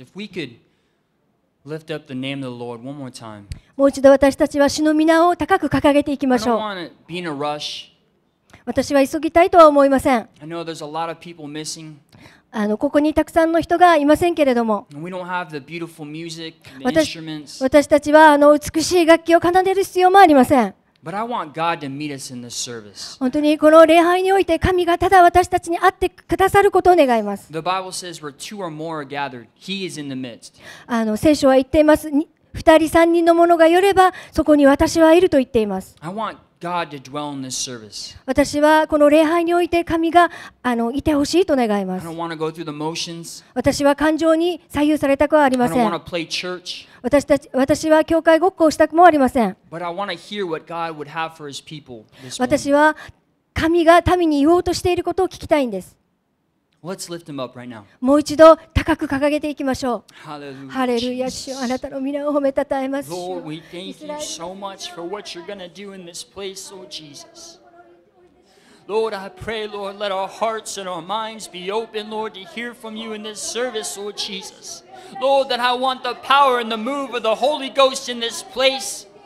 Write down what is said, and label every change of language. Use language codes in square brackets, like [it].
[en] If we could lift up the name of the Lord one more time. [ja] もう一度私たちは主の名を高く掲げていきましょう。 [en] I don't want to be in a rush. [ja] 私は急ぎたいとは思いません。 [en] I know there's a lot of people missing. [ja] ここにたくさんの人がいませんけれども、私たちは美しい楽器を奏でる必要もありません。本当にこの礼拝において神がただ私たちに会ってくださることを願います。聖書は言っています。 2人3人のものが寄ればそこに私はいると言っています。 [en] God to dwell in this service. [ja] 私はこの礼拝において神がいてほしいと願います。 [en] I don't want to go through the motions. [ja] 私は感情に左右されたくはありません。 [en] I don't want to play church. [ja] 私は教会ごっこをしたくもありません。 [en] But I want to hear what God would have for his people this morning. [ja] 私は神が民に言おうとしていることを聞きたいんです。 [en] Let's lift him up right now. [ja] もう一度高く掲げていきましょう。 [en] Hallelujah. [ja] ハレルヤ、主よ、あなたの御名を褒めたたえます。 [en] Lord, we thank you so much for what you're going to do in this place, Lord Jesus. Lord, I pray, Lord, let our hearts and our minds be open, Lord, to hear from you in this service, Lord Jesus. Lord, that I want the power and the move of the Holy Ghost in this place.